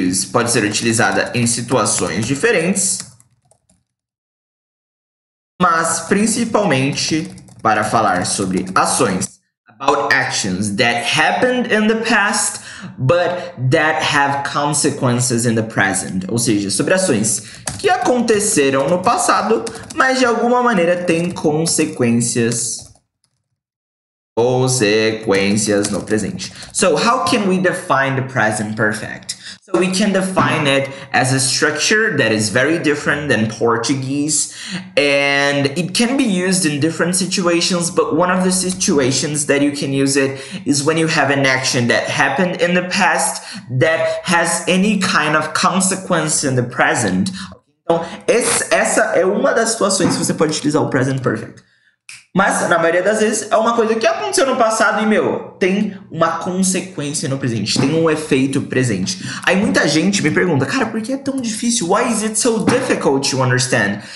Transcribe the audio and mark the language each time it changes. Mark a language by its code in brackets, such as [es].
[pt] Pode ser utilizada em situações diferentes, mas principalmente para falar sobre ações. [en] About actions that happened in the past, but that have consequences in the present. [pt] Ou seja, sobre ações que aconteceram no passado, mas de alguma maneira têm consequências. Consequências no presente. [en] So, how can we define the present perfect? So, we can define it as a structure that is very different than Portuguese, and it can be used in different situations, but one of the situations that you can use it is when you have an action that happened in the past that has any kind of consequence in the present. [pt] Então, essa é uma das situações que você pode utilizar o present perfect. Mas, na maioria das vezes, é uma coisa que aconteceu no passado e, meu, tem uma consequência no presente, tem um efeito presente. Aí muita gente me pergunta, cara, por que é tão difícil? [en] Why is it so difficult to understand?